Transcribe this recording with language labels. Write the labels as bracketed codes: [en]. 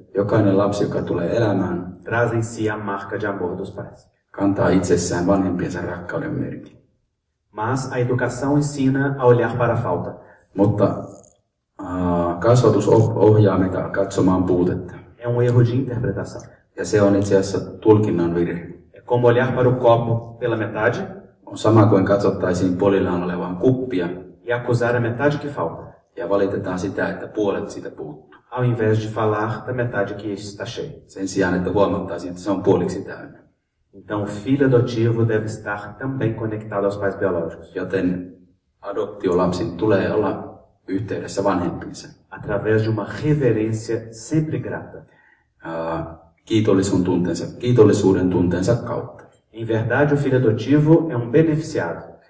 [fi] jokainen lapsi, joka tulee elämään, [pt] traz em si a marca de amor dos pais. [fi] Kantaa itsessään vanhempiensa rakkauden merkin. [pt] Mas a educação ensina a olhar para a falta. [fi] Mutta kasvatus ohjaa meitä katsomaan puutetta. [pt] É erro de interpretação. [fi] Ja se on itse asiassa tulkinnan virhe. [pt] É como olhar para o copo pela metade. [fi] On sama kuin katsottaisiin polillaan olevaan kuppia. [pt] E acusar a metade que falta. [fi] Ja valitetaan sitä, että puolet siitä puuttuu. [pt] Ao invés de falar da metade que está cheia. [fi] Sen sijaan, että huomattaisiin, että se on puoliksi täynnä. [pt] Então o filho adotivo deve estar também conectado aos pais biológicos. [fi] Joten adoptiolapsi tulee olla yhteydessä vanhempiinsa. [pt] Através de uma reverência sempre grata. [fi] Kiitollisuuden tunteensa kautta. [pt] Em verdade, o filho adotivo é um beneficiado.